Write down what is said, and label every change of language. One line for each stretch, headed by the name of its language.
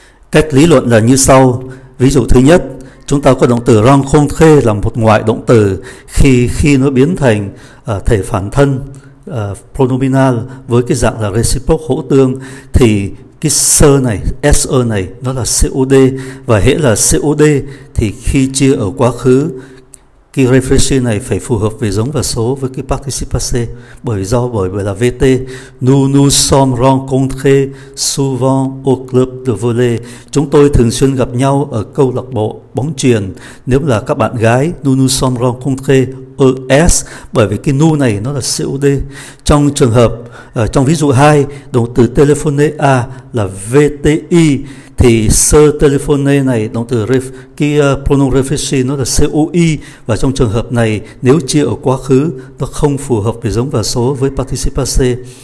Vietnamese: Cách lý luận là như sau. Ví dụ thứ nhất, chúng ta có động từ rencontrer là một ngoại động từ khi nó biến thành thể phản thân pronominal với cái dạng là reciproc hỗ tương thì cái se này, se này nó là COD, và hễ là COD thì khi chia ở quá khứ cái refreshi này phải phù hợp về giống và số với cái participe passé bởi là VT.
French: Nous nous sommes rencontrés souvent au club de volley.
Vietnamese: Chúng tôi thường xuyên gặp nhau ở câu lạc bộ bóng chuyền. Nếu là các bạn gái,
French: nous nous sommes rencontrés
Vietnamese: ES, bởi vì cái nous này nó là COD. Trong trường hợp, trong ví dụ 2, động từ téléphoner à là VTI. Thì se téléphoner này, động từ pronoun refreshi nó là COI, và trong trường hợp này nếu chia ở quá khứ nó không phù hợp về giống và số với participe passé.